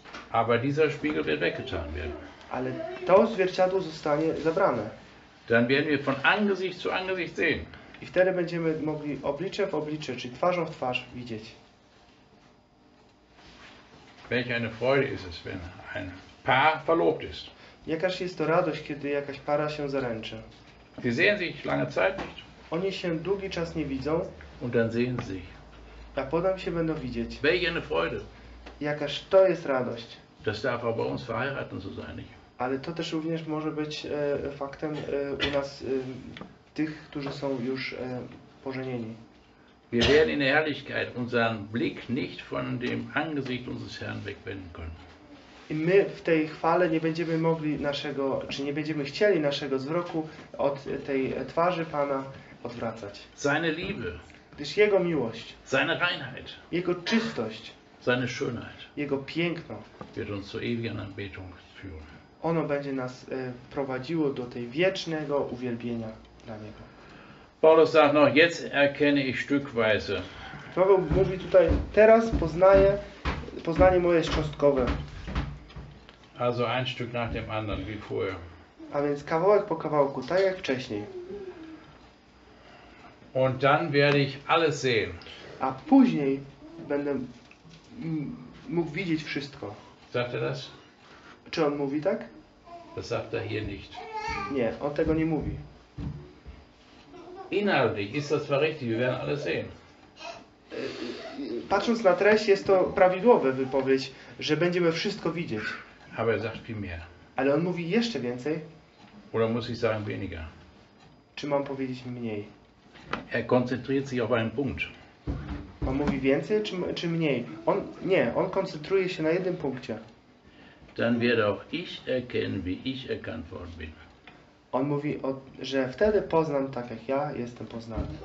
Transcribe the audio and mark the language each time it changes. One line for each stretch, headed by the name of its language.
German: Aber dieser Spiegel wird weggetan werden.
Polish: Ale to zwierciadło zostanie zabrane.
German: Dann werden wir von Angesicht zu Angesicht sehen.
Polish: I wtedy będziemy mogli oblicze w oblicze, czyli twarzą w twarz widzieć.
German: Welch eine Freude ist es, wenn ein Paar verlobt ist.
Polish: Jakaż jest to radość, kiedy jakaś para się zaręczy.
German: Sie sehen sich lange Zeit nicht.
Polish: Oni się długi czas nie widzą.
German: Und dann sehen sie sich.
Polish: A potem się będą widzieć.
German: Welch eine Freude.
Polish: Jakaż to jest radość.
German: Das darf auch bei uns verheiraten so sein.
Polish: Ale to też również może być faktem u nas tych, którzy są już pożenieni.
German: Wir werden in der Herrlichkeit unseren Blick nicht von dem Angesicht unseres Herrn wegwenden können.
Polish: I my w tej chwale nie będziemy mogli naszego, czy nie będziemy chcieli naszego wzroku od tej twarzy Pana odwracać.
German: Seine Liebe.
Polish: Gdyż Jego miłość.
German: Seine Reinheit.
Polish: Jego czystość.
German: Seine Schönheit.
Polish: Jego piękno.
German: Wird uns zur ewigen Anbetung führen.
Polish: Ono będzie nas prowadziło do tej wiecznego uwielbienia dla Niego.
German: Paulus sagt noch, jetzt erkenne ich stückweise.
Polish: Paweł mówi tutaj, teraz poznaję, poznanie moje jest cząstkowe.
German: Also ein Stück nach dem anderen, wie früher.
Polish: A więc kawałek po kawałku, tak jak wcześniej.
German: Und dann werde ich alles sehen.
Polish: A później będę mógł widzieć wszystko.
German: Sagt er das?
Polish: Czy on mówi tak?
German: Das sagt er hier nicht.
Polish: Nie, on tego nie mówi.
German: Inhaltlich ist das zwar richtig, wir werden alles sehen.
Polish: Patrząc na treść, jest to prawidłowa wypowiedź, że będziemy wszystko widzieć.
German: Aber er sagt viel mehr.
Polish: Ale on mówi jeszcze więcej.
German: Oder muss ich sagen weniger?
Polish: Czy mam powiedzieć mniej?
German: Er konzentriert sich auf einen Punkt.
Polish: On mówi więcej czy mniej? On koncentruje się na jednym punkcie.
German: Dann werde auch ich erkennen, wie ich erkannt worden bin.
Polish: On mówi, że wtedy poznam tak, jak ja jestem poznany.